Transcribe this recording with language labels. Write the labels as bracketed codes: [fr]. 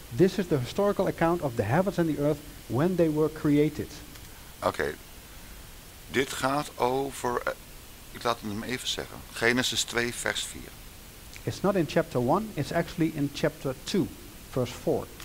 [en] This is the historical account of the heavens and the earth when they were created. Okay. [nl] Dit gaat over, ik laat het hem even zeggen, Genesis 2 vers 4. [en] It's not in chapter 1, it's actually in chapter 2, verse 4.